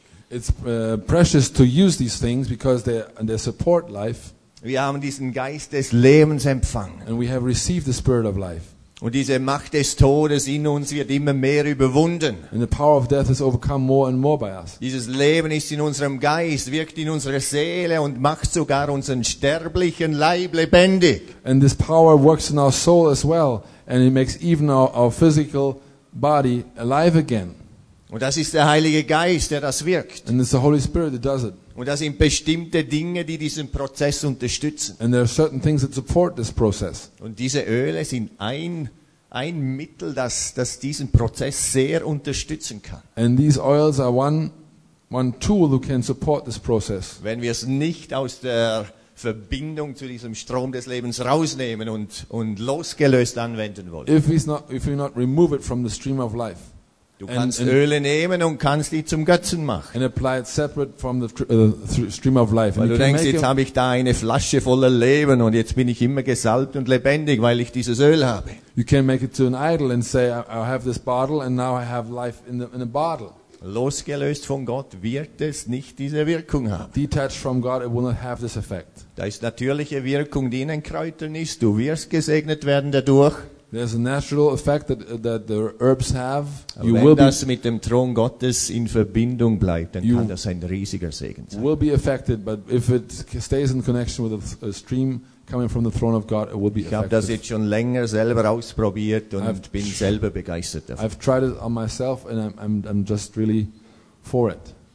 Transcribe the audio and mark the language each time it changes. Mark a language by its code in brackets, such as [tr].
[en] It's precious to use these things because they support life. [de] Wir haben diesen Geist des Lebens empfangen. [en] And we have received the spirit of life. [de] Und diese Macht des Todes in uns wird immer mehr überwunden. [en] And the power of death is overcome more and more by us. [de] Dieses Leben ist in unserem Geist, wirkt in unserer Seele und macht sogar unseren sterblichen Leib lebendig. [en] And this power works in our soul as well, and it makes even our physical body alive again. [de] Und das ist der Heilige Geist, der das wirkt. [en] And it's the Holy Spirit that does it. [de] Und das sind bestimmte Dinge, die diesen Prozess unterstützen. [en] And there are certain things that support this process. [de] Und diese Öle sind ein Mittel, das diesen Prozess sehr unterstützen kann. [en] And these oils are one tool who can support this process. [de] Wenn wir es nicht aus der Verbindung zu diesem Strom des Lebens rausnehmen und losgelöst anwenden wollen. [en] If we not remove it from the stream of life. [de] Du kannst Öle nehmen und kannst die zum Götzen machen. [en] And apply it separate from the stream of life. [de] Weil du denkst, jetzt habe ich da eine Flasche voller Leben und jetzt bin ich immer gesalbt und lebendig, weil ich dieses Öl habe. [en] You can make it to an idol and say, I have this bottle and now I have life in a bottle. [de] Losgelöst von Gott wird es nicht diese Wirkung haben. [en] Detached from God, it will not have this effect. [de] Da ist natürliche Wirkung, die in den Kräutern ist. Du wirst gesegnet werden dadurch. [en] There's a natural effect that the herbs have. You will be, [de] mit dem Thron Gottes in Verbindung bleibt, dann kann das ein riesiger Segen sein. [en] Will be affected, but if it stays in connection with a stream coming from the throne of God, it will be effective. [de] Ich habe das jetzt schon länger selber ausprobiert und bin selber begeistert davon. [en] I've tried it on myself and I'm just really for it.